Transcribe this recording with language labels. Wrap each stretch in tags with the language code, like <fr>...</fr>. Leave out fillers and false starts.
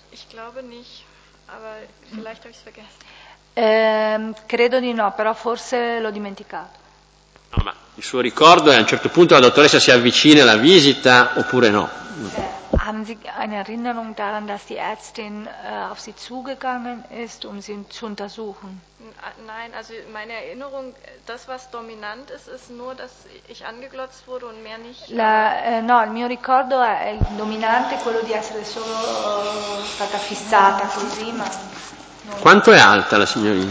<de>Ich glaube nicht, aber vielleicht habe ich es vergessen.</de> <it>Credo di no, però forse l'ho dimenticato. No, ma il suo ricordo è a un certo punto la dottoressa si avvicina alla visita oppure no?</it> <de>Haben Sie eine Erinnerung daran, dass die Ärztin auf Sie zugegangen ist, um Sie zu untersuchen? Nein, also meine Erinnerung, das was dominant ist, ist nur, dass ich angeglotzt wurde und mehr nicht.</de> <it>La, no, il mio ricordo è il dominante, quello di essere solo stata fissata così, ma. No. Quanto è alta la signorina?</it>